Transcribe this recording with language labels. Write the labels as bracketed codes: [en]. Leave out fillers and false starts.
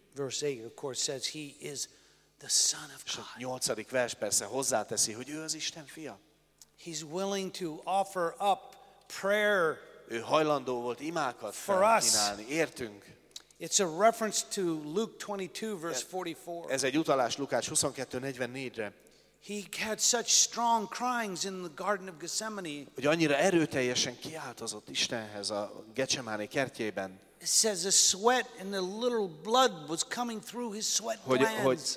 [en] Verse 8 of course says he is the son of God. [hu] 8. vers persze hozzáteszi, hogy ő az Isten fia. [en] He's willing to offer up prayer. [hu] Ő hajlandó volt imákat felkínálni, értünk. [en] It's a reference to Luke 22 verse 44. [hu] Ez egy utalás Lukács 22:44-re. [en] He had such strong cryings in the Garden of Gethsemane. [hu] Hogy annyira erőteljesen kiáltozott Istenhez a Getsemáné kertjében. [en] It says the sweat and the little blood was coming through his sweat glands.